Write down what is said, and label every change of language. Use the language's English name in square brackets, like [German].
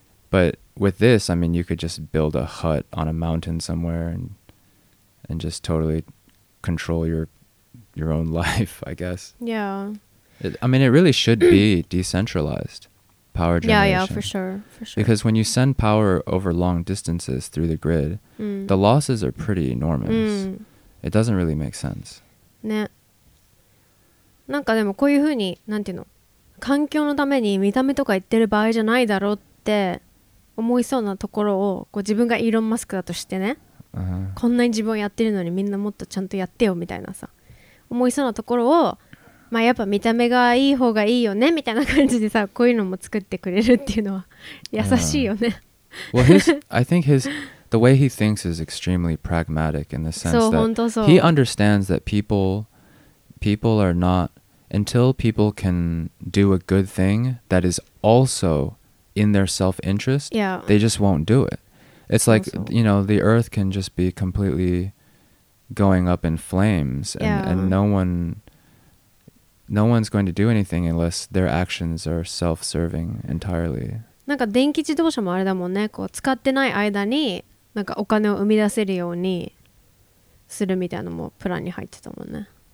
[English] But with this, I mean, you could just build a hut on a mountain somewhere and just totally control your own life, I guess. Yeah. It really should be decentralized. Power generation. Yeah, yeah, for sure. Because when you send power over long distances through the grid, the losses are pretty enormous. It doesn't really make sense. [Japanese] ね。なんかでもこういうふうに、なんていうの、環境のために見た目とか言ってる場合じゃないだろうって思いそうなところを、こう自分がイーロン・マスクだとしてね、こんなに自分をやってるのにみんなもっとちゃんとやってよみたいなさ、思いそうなところを、まあやっぱ見た目がいい方がいいよねみたいな感じでさ、こういうのも作ってくれるっていうのは優しいよね。 [English] Well, the way he thinks is extremely pragmatic in the sense that he understands that people are not, until people can do a good thing that is also in their self-interest, they just won't do it. It's like, you know, the earth can just be completely going up in flames and no one's going to do anything unless their actions are self-serving entirely. [Japanese] なんか電気自動車もあれだもんね。こう使ってない間になんかお金を生み出せるようにするみたいなのもプランに入ってたもんね。